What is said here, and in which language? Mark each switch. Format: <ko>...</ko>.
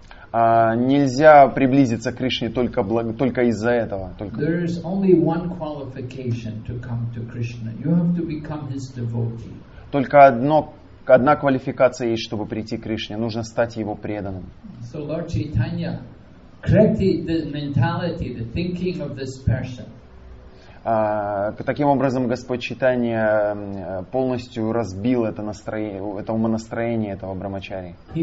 <ru>Нельзя приблизиться к Кришне только из-за этого.</ru> <en>There is only one qualification to come to Krishna. You have to become his devotee.</en> <ru>Только одна квалификация есть, чтобы прийти к Кришне. Нужно стать его преданным.</ru> <en>So Lord Chaitanya corrected the mentality, the thinking of this person.</en> <ru>Таким образом, Господь Чайтанья полностью разбил это настроение, это умонастроение этого брахмачари.</ru>